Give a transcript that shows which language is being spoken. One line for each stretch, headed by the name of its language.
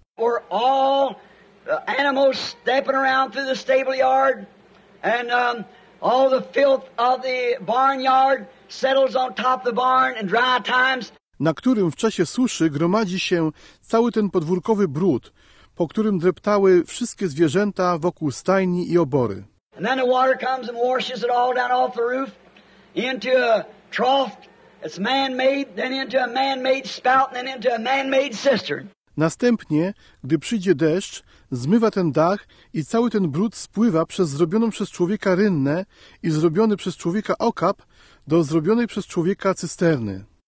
English: Or all the animals stepping around through the stable yard and all the filth of the barnyard settles on top the barn in dry times.
Polish: Na którym w czasie suszy gromadzi się cały ten podwórkowy brud, po którym dreptały wszystkie zwierzęta wokół stajni i obory.
English: And then the water comes and washes it all down off the roof into a trough that's man-made, then into a man-made spout, then into a man-made cistern.
Polish: Następnie, gdy przyjdzie deszcz, zmywa ten dach i cały ten brud spływa przez zrobioną przez człowieka rynnę i zrobiony przez człowieka okap do zrobionej przez człowieka cysterny.